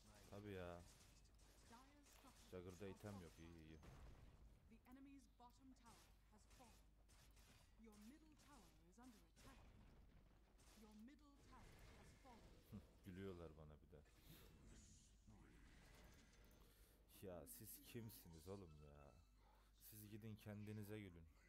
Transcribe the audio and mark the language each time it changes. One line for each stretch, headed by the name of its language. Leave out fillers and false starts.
Turkish: Tabi ya. Jagger'da item yok, iyi iyi.
English: The enemy's bottom tower has fallen. Your middle tower is under attack. Your middle tower has fallen.
Turkish: Gülüyorlar bana bir de. Ya siz kimsiniz oğlum ya? Siz gidin kendinize gülün.